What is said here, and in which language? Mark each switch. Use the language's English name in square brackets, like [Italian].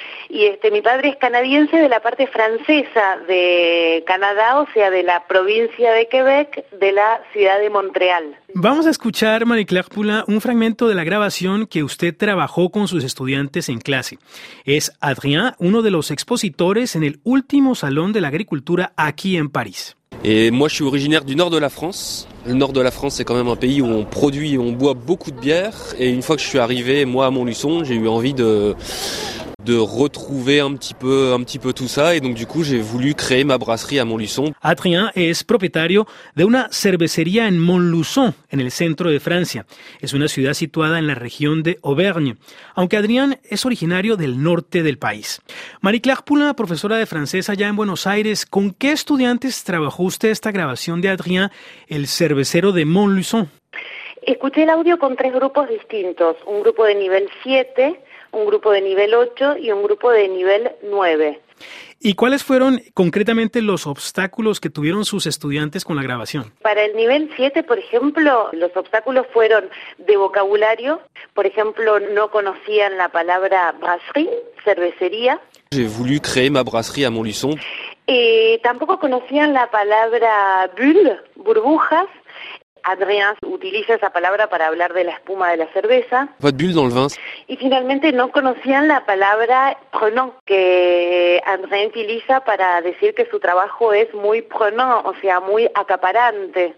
[Spanish] Y mi padre es canadiense de la parte francesa de Canadá, o sea, de la provincia de Quebec, de la ciudad de Montreal. Vamos a escuchar, Marie-Claire Poulain, un fragmento de la grabación que usted trabajó con sus estudiantes en clase. Es Adrien, uno de los expositores en el último Salón de la Agricultura aquí en París. [French] Et moi, je suis originaire du nord de la France. Le nord de la France, c'est quand même un pays où on produit, on boit beaucoup de bière. Et une fois que je suis arrivé, moi, à Montluçon, j'ai eu envie de retrouver un petit peu tout ça. Et donc, du coup, j'ai voulu créer ma brasserie à Montluçon. [Spanish] Adrien es propietario de una cervecería en Montluçon, en el centro de Francia. Es una ciudad situada en la región de Auvergne. Aunque Adrien es originario del norte del país. Marie-Claire Poulain, profesora de francés allá en Buenos Aires, ¿con qué estudiantes trabajó usted esta grabación de Adrien, el cervecero de Montluçon? Escuché el audio con tres grupos distintos. Un grupo de nivel 7, un grupo de nivel 8 y un grupo de nivel 9. ¿Y cuáles fueron concretamente los obstáculos que tuvieron sus estudiantes con la grabación? Para el nivel 7, por ejemplo, los obstáculos fueron de vocabulario. Por ejemplo, no conocían la palabra brasserie, cervecería. [French] J'ai voulu créer ma brasserie à Montluçon. [Spanish] Tampoco conocían la palabra bulle, burbujas. Adrien utiliza esa palabra para hablar de la espuma de la cerveza. [French] Pas de bulle dans le vin. [Spanish] Y finalmente no conocían la palabra prenant, que Adrien utiliza para decir que su trabajo es muy prenant, o sea, muy acaparante.